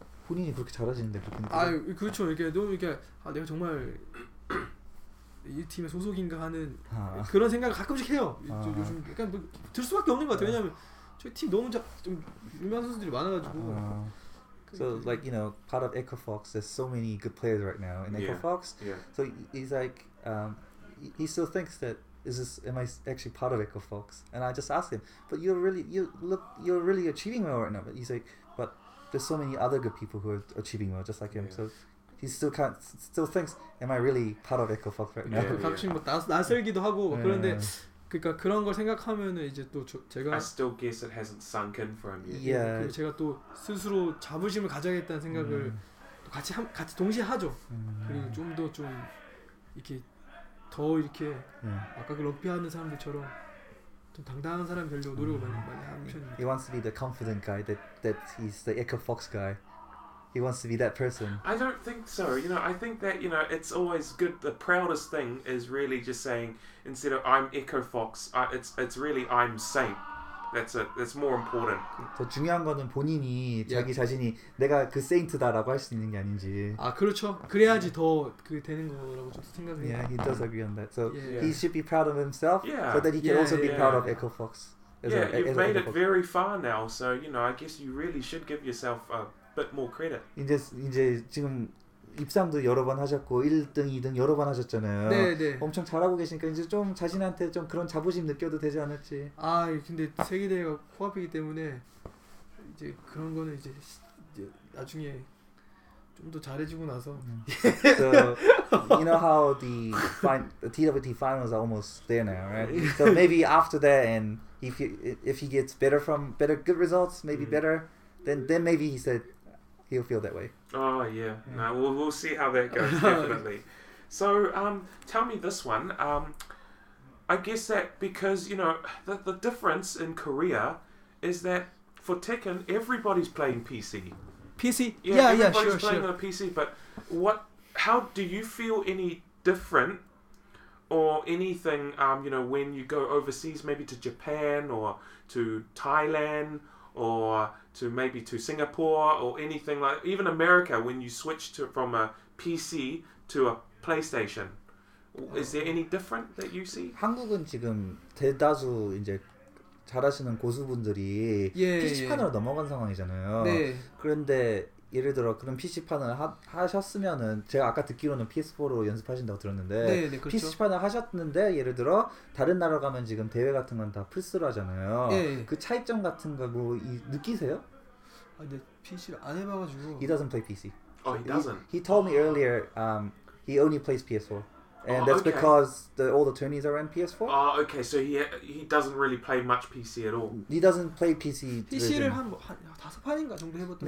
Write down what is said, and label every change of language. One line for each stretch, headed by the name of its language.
Korean: 본인이 그렇게 잘하시는데 그렇게. 아, 그렇죠. 이렇게 너무 이렇게 아, 내가 정말. 이 팀의 소속인가 하는 아. 그런 생각을 가끔씩 해요. 요즘 약간 뭐 들 수밖에 없는 것 같아요. 왜냐면 저희 팀 너무 좀 유명한 선수들이 많아가지고.
English: So like you know, part of EcoFox, there's so many good players right now in EcoFox. Yeah. Yeah. So he's like, he still thinks that is this am I actually part of EcoFox? And I just asked him, but you're really achieving well right now. But he's like, but there's so many other good people who are achieving well, just like him. Yeah. So. He still can't. Still thinks, am I really part of EcoFox right now?
Korean: 가끔씩 뭐 나설기도 하고 그런데 그러니까 그런 걸 생각하면은 이제 또 제가
English: I still guess it hasn't sunk in for him yet. Yeah.
Korean: 그리고 제가 또 스스로 자부심을 가져야겠다는 생각을 또 같이 동시에 하죠. 그리고 좀 더 좀 이렇게 더 이렇게 아까 그 럭비하는 사람들처럼 좀 당당한 사람이 되려고 노력을 많이 하는 편이에요.
English: He wants to be the confident guy that he's the Ichor Fox guy. He wants to be that person. I don't think so. You know, I think that, you know, it's always good. The proudest thing is really just saying, instead of I'm Ichor Fox, it's really I'm Saint. That's more important.
Korean: 더 중요한 거는 본인이 자기 yeah. 자신이 내가 그 세인트다라고 할 수 있는 게 아닌지. 아 그렇죠. 그래야지 yeah. 더 그 되는 거라고 저도 생각해요.
English: Yeah, he does agree on that. So yeah. he should be proud of himself, yeah. so that he can yeah, also be yeah. proud of Ichor Fox. Yeah, you've made it very far now. So you know, I guess you really should give yourself a bit more credit.
Korean: 이제 지금 입상도 여러 번 하셨고 1등, 2등 여러 번 하셨잖아요. 네, 네. 엄청 잘하고 계시니까 이제 좀 자신한테 좀 그런 자부심 느껴도 되지 않았지. 아, 근데 세계대회가 코앞이기 때문에 이제 그런 거는 이제 나중에 좀 더 잘해지고 나서.
English: So, you know how the TWT finals are almost there now, right? So maybe after that, and if he gets better from better good results, maybe better, then maybe he said. He'll feel that way. Oh yeah. No, we'll see how that goes. Definitely. So tell me this one. I guess that because you know the difference in Korea is that for Tekken everybody's playing PC. PC. Everybody's playing on a PC. But how do you feel any different or anything? You know, when you go overseas, maybe to Japan or to Thailand. Or to maybe to Singapore or anything like even America when you switch to from a PC to a PlayStation, is there any different that you see?
Korean: 한국은 지금 대다수 이제 잘하시는 고수분들이 예, PC판으로 예. 넘어간 상황이잖아요. 네. 그런데 예를 들어 그런 PC판을 하셨으면은 제가 아까 듣기로는 PS4로 연습하신다고 들었는데 네, 네, 그렇죠. PC판을 하셨는데 예를 들어 다른 나라 가면 지금 대회 같은 건 다 플스로 하잖아요. 네. 그 차이점 같은 거 뭐 느끼세요? 아, 근데 PC를 안 해봐가지고
English: He doesn't play PC. Oh, he doesn't? He told me earlier he only plays PS4. And that's okay. because all the tourneys are on PS4. Oh, okay. So he doesn't really play much PC at all. He doesn't play PC.
Korean: PC를 한 다섯 판인가 정도 해봤던 거.